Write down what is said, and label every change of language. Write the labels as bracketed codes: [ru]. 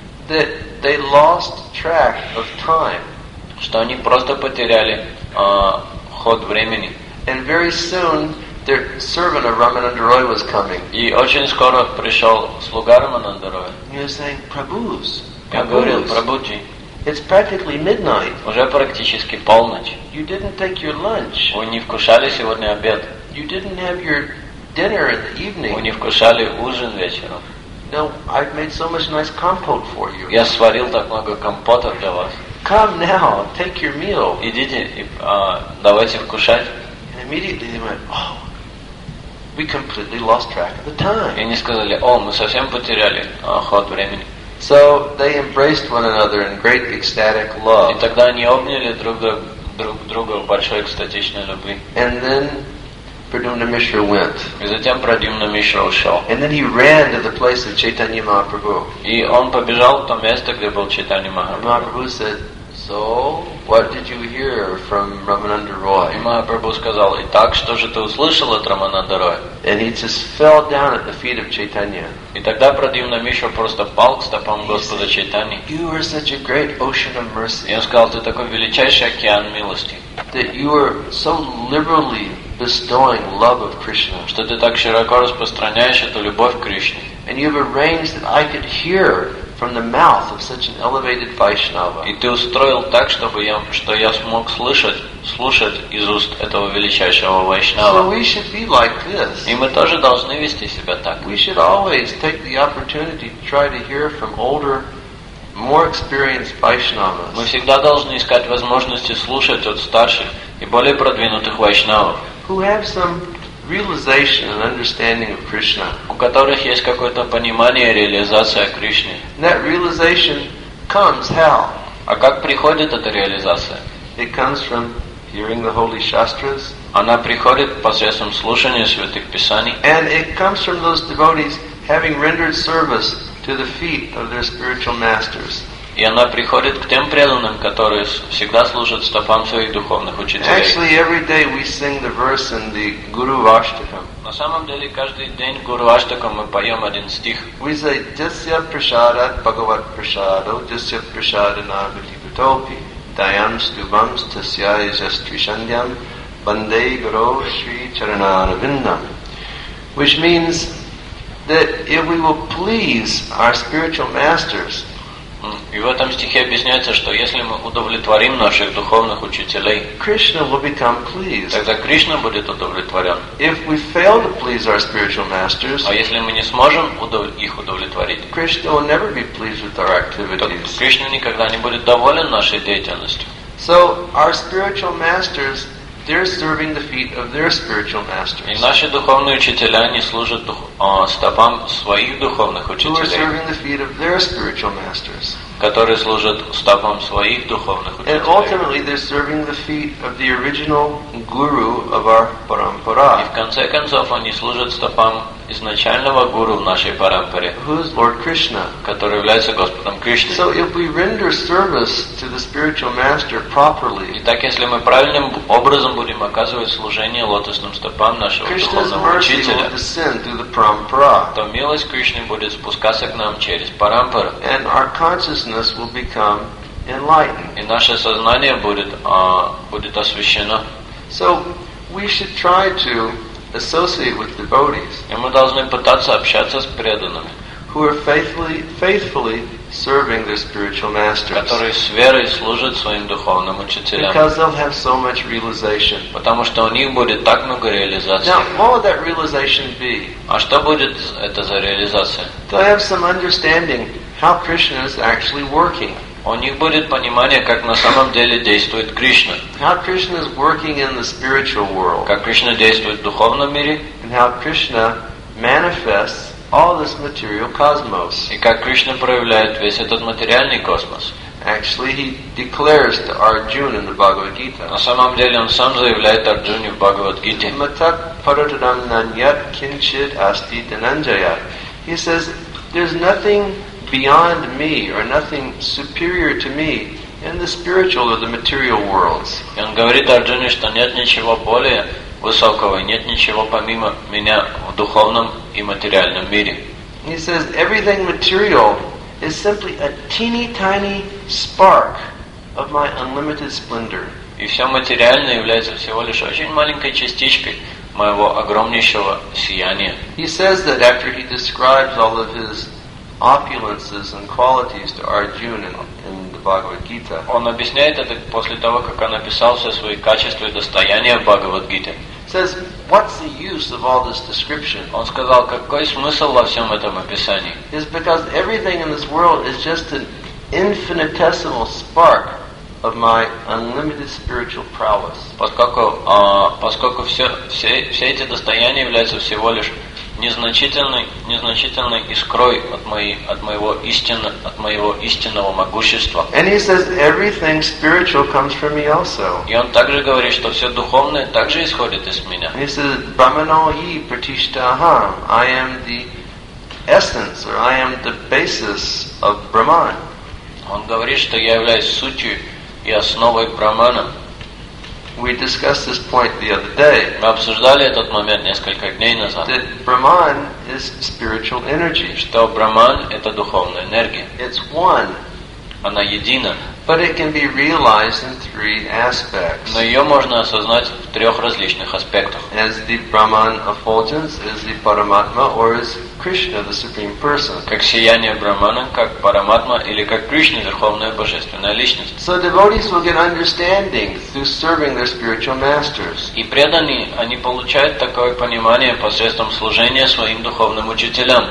[en] That they lost track of time. [ru] Что они просто потеряли ход времени. [en] And very soon their servant of Ramananda Roy was coming. [ru] И очень скоро пришел слуга Рамананда Роя. [en] He was saying, "Prabhus, [ru] я говорил, Прабуджи, [en] it's practically midnight. [ru] Уже практически полночь. [en] You didn't take your lunch. [ru] Вы не вкушали сегодня обед. [en] You didn't have your dinner in the evening. [ru] Вы не вкушали ужин вечером. [en] No, I've made so much nice compote for you. [ru] Я сварил так много компота для вас. [en] Come now, take your meal. [ru] Идите, давайте вкушать. [en] And immediately they went, "Oh, we completely lost track of the time." [ru] И они сказали, о, мы совсем потеряли ход времени. [en] So they embraced one another in great ecstatic love. [ru] И тогда они обняли друг друга в большой экстатичной любви. [en] And then Pradyumna Mishra went. [ru] И затем Прадьюмна Мишра ушел. [en] And then he ran to the place of Chaitanya Mahaprabhu. [ru] И он побежал в то место, где был Чайтанья Махапрабху. [en] Mahaprabhu said, "So, what did you hear from Ramananda Roy?" [ru] И Махапрабху сказал, "Итак, что же ты услышал от Рамананда Роя?" [en] And he just fell down at the feet of Chaitanya. [ru] И тогда Прадьюмна Мишра просто пал к стопам Господа Чайтаньи. [en] "You are such a great ocean of mercy." [ru] И он сказал, "Ты такой величайший океан милости." [en] "That you are so liberally bestowing love of Krishna." [ru] Что ты так широко распространяешь эту любовь к Кришне. [en] "And you have arranged that I could hear from the mouth of such an elevated Vaishnava. [ru] И ты устроил так, чтобы я смог слушать из уст этого величайшего Вайшнава. [en] So we should be like this. [ru] И мы тоже должны вести себя так. [en] We should always take the opportunity to try to hear from older, more experienced Vaishnavas. [ru] Мы всегда должны искать возможности слушать от старших и более продвинутых Вайшнавов. [en] Who have some realization and understanding of Krishna. [ru] У которых есть какое-то понимание и реализация Кришны. [en] And that realization comes how? [ru] А как приходит эта реализация? [en] It comes from hearing the holy shastras. [ru] Она приходит посредством слушания святых писаний. [en] And it comes from those devotees having rendered service to the feet of their spiritual masters. [ru] И она приходит к тем преданным, которые всегда служат стопам своих духовных учителей. [en] Actually, every day we sing the verse in the Guru Vashtakam. [ru] На самом деле, каждый день Гуру Аштакам мы поем один стих. [sa] We say, Jasya Prasadat Bhagavat Prasado, Jasya Prasadanabhati Bhutopi, Dayam Stubams Tasya Yajastrishandyam, Bande Guru Shri Charanaravindam. [en] Which means that if we will please our spiritual masters, [ru] и в этом стихе объясняется, что если мы удовлетворим наших духовных учителей, [en] Krishna will become pleased. [ru] Тогда Кришна будет удовлетворен. [en] If we fail to please our spiritual masters, [ru] а если мы не сможем их удовлетворить, [en] Krishna will never be pleased with our activities. [ru] То Кришна никогда не будет доволен нашей деятельностью. [en] So our spiritual masters, they're serving the feet of their spiritual masters. [ru] И наши духовные учителя, они служат стопам своих духовных учителей. [en] Who are serving the feet of their spiritual masters. [ru] Которые служат стопам своих духовных учителей. [en] And ultimately, they're serving the feet of the original guru of our parampara. [ru] И в конце концов, они служат стопам изначального гуру в нашей парампаре. [en] Who is Lord Krishna. [ru] Который является Господом Кришной. [en] So if we render service to the spiritual master properly, [ru] итак, если мы правильным образом будем оказывать служение лотосным стопам нашего духовного учителя, [en] will descend through the parampara. [ru] То милость Кришны будет спускаться к нам через парампару. [en] And our consciousness will become enlightened. [ru] И наше сознание будет освящено. [en] So we should try to associate with devotees. [ru] И мы должны пытаться общаться с преданными, [en] who are faithfully serving their spiritual masters. [ru] Которые с верой служат своим духовным учителям. [en] Because they'll have so much realization. [ru] Потому что у них будет так много реализации. [en] Now, what would that realization be? [ru] А что будет это за реализация? [en] They'll have some understanding how Krishna is actually working. [ru] У них будет понимание, как на самом деле действует Кришна. [en] How Krishna is working in the spiritual world. [ru] Как Кришна действует в духовном мире. [en] And how Krishna manifests all this material cosmos. [ru] И как Кришна проявляет весь этот материальный космос. [en] Actually, he declares to Arjuna in the Bhagavad Gita. [ru] На самом деле, он сам заявляет Арджуне в Бхагавад Гите. [sa] Matat parataram nanyat kinchit asti dananjaya. [en] He says, there's nothing beyond me or nothing superior to me in the spiritual or the material worlds. [ru] И он говорит Арджуне, что нет ничего более высокого, нет ничего помимо меня в духовном и материальном мире. [en] He says everything material is simply a teeny tiny spark of my unlimited splendor. [ru] И все материальное является всего лишь очень маленькой частичкой моего огромнейшего сияния. [en] He says that after he describes all of his opulences and qualities to Arjuna in the Bhagavad Gita. [ru] Он объясняет это после того, как он описал все свои качества и достояния в Бхагавад Гите. [en] Says, what's the use of all this description? [ru] Он сказал, какой смысл во всем этом описании? [en] It's because everything in this world is just an infinitesimal spark of my unlimited spiritual prowess. [ru] Поскольку все эти достояния являются всего лишь незначительной искрой от моего истинного могущества. [en] And he says everything spiritual comes from me also. [ru] И он также говорит, что все духовное также исходит из меня. [en] He says [sa] Brahmano hi pratishtaham. [en] I am the essence, or I am the basis of Brahman. [ru] Он говорит, что я являюсь сутью и основой Брахмана. [en] We discussed this point the other day. [ru] Мы обсуждали этот момент несколько дней назад. [en] That Brahman is spiritual energy. [ru] Что Брахман — это духовная энергия. [en] It's one. [ru] она едина. [en] But it can be realized in three aspects. [ru] Но ее можно осознать в трех различных аспектах. [en] As the Brahman effulgence, as the Paramatma, or as Krishna, the Supreme Person. [ru] Как сияние Брахмана, как Параматма, или как Кришна, Верховная Божественная Личность. [en] So devotees will get understanding through serving their spiritual masters. [ru] И преданные, они получают такое понимание посредством служения своим духовным учителям.